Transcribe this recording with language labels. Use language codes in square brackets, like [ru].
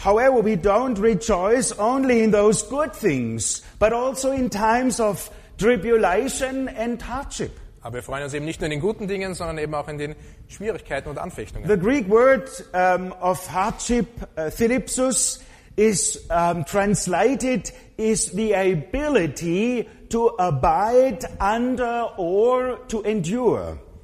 [en] However, we don't rejoice only in those good things, but also in times of tribulation and hardship. [de] Aber wir freuen uns eben nicht nur in den guten Dingen, sondern eben auch in den Schwierigkeiten und Anfechtungen. [en] The Greek word of hardship, thlipsos, is translated is the ability to abide under or to endure.